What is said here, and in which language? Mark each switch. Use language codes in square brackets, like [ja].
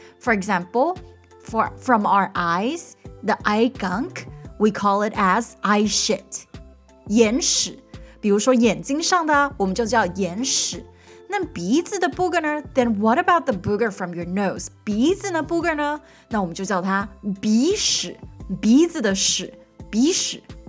[en] For example, from our eyes, the eye gunk, we call it as eye shit. [zh] 眼屎, 比如说眼睛上的, 我们就叫眼屎。那鼻子的booger呢? [en] Then what about the booger from your nose? [zh] 鼻子的booger呢? 那我们就叫它鼻屎, 鼻子的屎, 鼻屎。